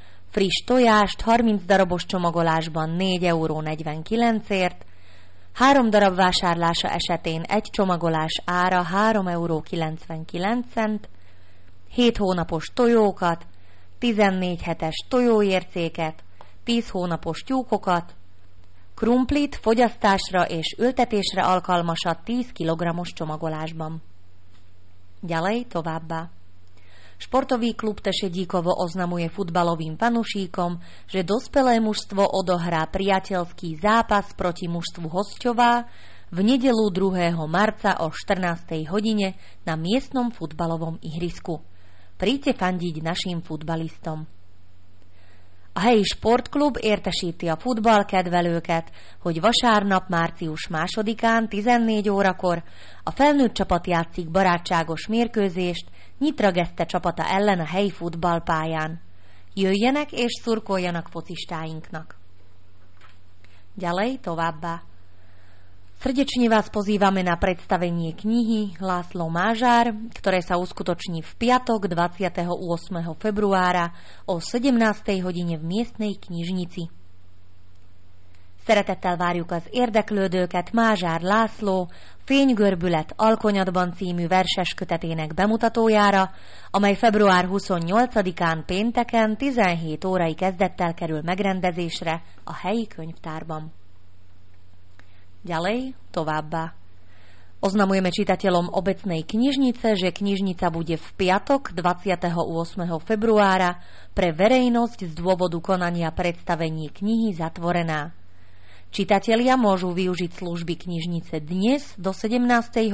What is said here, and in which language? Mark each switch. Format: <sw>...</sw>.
<hu>Friss tojást 30 darabos csomagolásban 4,49 eurért, 3 darab vásárlása esetén egy csomagolás ára 3,99 eurót, 7 hónapos tojókat, 14 hetes tojóércéket, 10 hónapos tyúkokat, krumplit fogyasztásra és ültetésre alkalmasat 10 kg-os csomagolásban. Gyalej továbbá.</hu> <sk>Sportový klub Tešedíkovo oznamuje futbalovým fanušíkom, že dospelé mužstvo odohrá priateľský zápas proti mužstvu Hosťová v nedeľu 2. marca o 14. hodine na miestnom futbalovom ihrisku. Príďte fandiť našim futbalistom.</sk> <hu>A helyi sportklub értesíti a futballkedvelőket, hogy vasárnap március 2-án 14 órakor a felnőtt csapat játszik barátságos mérkőzést Nyitra Geszte csapata ellen a helyi futballpályán. Jöjjenek és szurkoljanak focistáinknak.</hu> <sk>Gyalej</sk> <hu>továbbá.</hu> <sk>Srdečne vás pozývame na predstavenie knihy László Mázár, ktoré sa uskutoční v piatok 28. februára o 17. hodine v miestnej knižnici.</sk> <hu>Szeretettel várjuk az érdeklődőket Mázár László Fénygörbület Alkonyatban című verses kötetének bemutatójára, amely február 28-án pénteken 17 órai kezdettel kerül megrendezésre a helyi könyvtárban.</hu> <sk>Ďalej,</sk> <hu>továbbá.</hu> <sk>Oznamujeme čitateľom obecnej knižnice, že knižnica bude v piatok 28. februára pre verejnosť z dôvodu konania predstavení knihy zatvorená. Čitatelia môžu využiť služby knižnice dnes do 17.</sk>